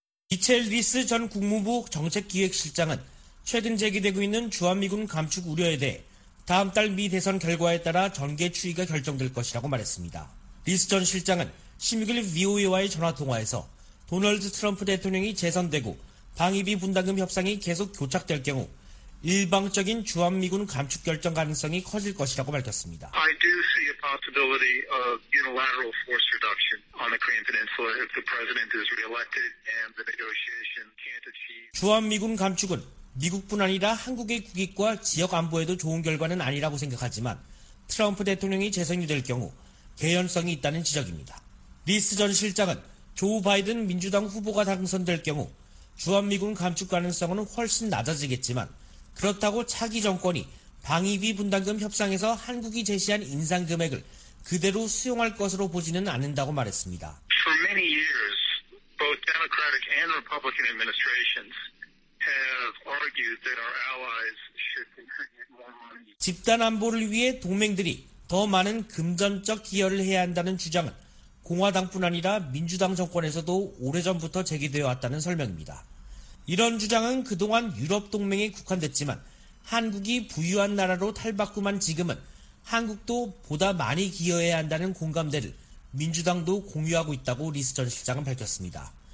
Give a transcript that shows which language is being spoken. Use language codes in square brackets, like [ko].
[ko] 미첼 리스 전 국무부 정책기획실장은 최근 제기되고 있는 주한미군 감축 우려에 대해 다음 달 미 대선 결과에 따라 전개 추이가 결정될 것이라고 말했습니다. 리스 전 실장은 16일 VOA와의 전화통화에서 도널드 트럼프 대통령이 재선되고 방위비 분담금 협상이 계속 교착될 경우 일방적인 주한미군 감축 결정 가능성이 커질 것이라고 밝혔습니다. [en] I do see a possibility of unilateral force reduction on the Korean Peninsula if the president is re-elected and the negotiation can't achieve. [ko] 주한미군 감축은 미국뿐 아니라 한국의 국익과 지역 안보에도 좋은 결과는 아니라고 생각하지만 트럼프 대통령이 재선이 될 경우 개연성이 있다는 지적입니다. 리스 전 실장은 조 바이든 민주당 후보가 당선될 경우 주한미군 감축 가능성은 훨씬 낮아지겠지만 그렇다고 차기 정권이 방위비 분담금 협상에서 한국이 제시한 인상 금액을 그대로 수용할 것으로 보지는 않는다고 말했습니다. [en] For many years, both Democratic and Republican administrations have argued that our allies should contribute more money. [ko] 집단 안보를 위해 동맹들이 더 많은 금전적 기여를 해야 한다는 주장은 공화당뿐 아니라 민주당 정권에서도 오래전부터 제기되어 왔다는 설명입니다. 이런 주장은 그동안 유럽 동맹에 국한됐지만 한국이 부유한 나라로 탈바꿈한 지금은 한국도 보다 많이 기여해야 한다는 공감대를 민주당도 공유하고 있다고 리스 전 실장은 밝혔습니다.